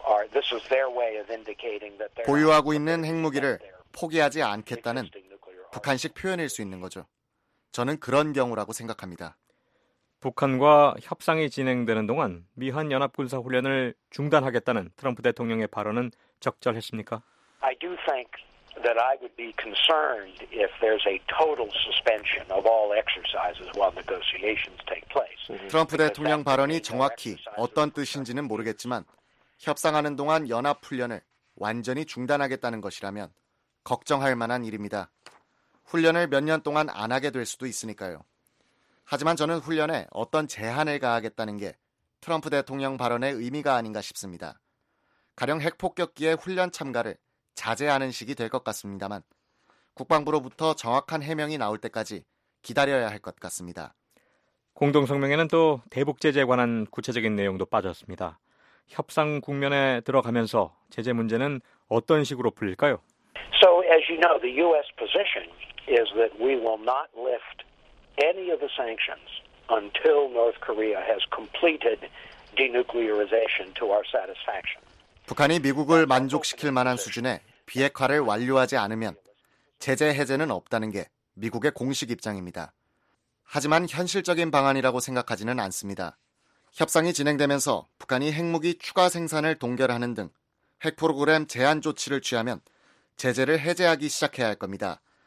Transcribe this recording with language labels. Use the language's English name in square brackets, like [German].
[English] This is their way of indicating that they're [Korean] 보유하고 있는 핵무기를 포기하지 않겠다는 북한식 표현일 수 있는 거죠. 저는 그런 경우라고 생각합니다. 북한과 협상이 진행되는 동안 미한 연합군사 훈련을 중단하겠다는 트럼프 대통령의 발언은 적절했습니까? [English] I do think that I would be concerned if there's a total suspension of all exercises while negotiations take place. [Korean] 트럼프 대통령 발언이 정확히 어떤 뜻인지는 모르겠지만 협상하는 동안 연합 훈련을 완전히 중단하겠다는 것이라면 걱정할 만한 일입니다. 훈련을 몇 년 동안 안 하게 될 수도 있으니까요. 하지만 저는 훈련에 어떤 제한을 가하겠다는 게 트럼프 대통령 발언의 의미가 아닌가 싶습니다. 가령 핵폭격기의 훈련 참가를 자제하는 식이 될 것 같습니다만 국방부로부터 정확한 해명이 나올 때까지 기다려야 할 것 같습니다. 공동성명에는 또 대북 제재에 관한 구체적인 내용도 빠졌습니다. 협상 국면에 들어가면서 제재 문제는 어떤 식으로 풀릴까요? [English] So as you know, the U.S. position is that we will not lift any of the sanctions until North Korea has completed denuclearization to our satisfaction. [Korean] 북한이 미국을 만족시킬 만한 수준의 비핵화를 완료하지 않으면 제재 해제는 없다는 게 미국의 공식 입장입니다. 하지만 현실적인 방안이라고 생각하지는 않습니다. 협상이 진행되면서 북한이 핵무기 추가 생산을 동결하는 등 핵 프로그램 제한 조치를 취하면 제재를 해제하기 시작해야 할 겁니다.